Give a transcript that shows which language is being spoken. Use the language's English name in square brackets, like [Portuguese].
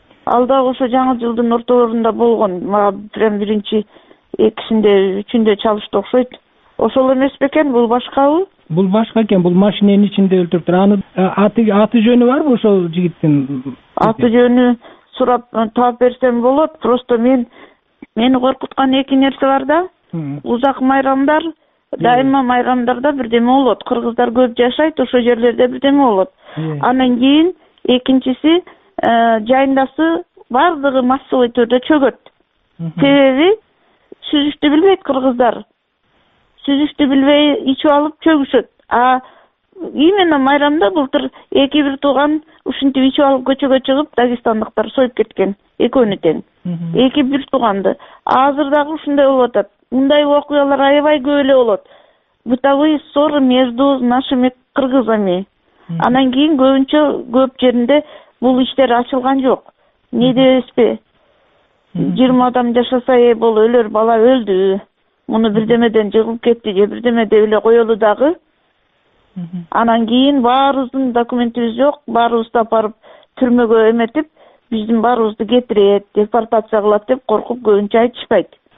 [Kyrgyz] Ал дагы ошо жаңы жылдын ортолорунда болгон, мага прям биринчи экисинде үчүндө чалышты окшойт. Ошол эмес бекен, бул башкабы? Бул башка экен, бул машиненин ичинде өлтүрүптүр. Аны аты жөнү барбы ошол жигиттин? Аты жөнү сурап таап берсем болот. Просто мени коркуткан эки нерсе бар да. Узак майрамдар, дайыма майрамдарда бирдеме болот. Кыргыздар көп жашайт, ошол жерлерде бирдеме болот. Анан кийин экинчиси жайындасы бардыгы массовый түрдө чөгөт. Себеби сүзүштү билбейт кыргыздар. Сүзүштү билбей ичип алып чөгүшөт. [Russian] А именно [Kyrgyz] майрамда былтыр эки бир тууган ушинтип ичип алып көчөгө чыгып дагестандыктар союп кеткен экөөнү тең. Эки бир тууганды. Азыр дагы ушундай болуп атат. Мындай окуялар аябай көп эле болот. [Russian] Бытовые ссоры между нашими кыргызами. [Kyrgyz] Анан кийин көбүнчө көп жеринде бул иштер ачылган жок. Эмне дебеспи? 20 адам жашаса бул өлөр бала өлдү. Муну бирдемеден жыгылып кетти же бирдеме деп эле коелу дагы. Анан кийин баарыбыздын документибиз жок, баарыбызды апарып түрмөгө эметип, биздин баарыбызды кетирет, депортация кылат деп коркуп көбүнчө айтышпайт.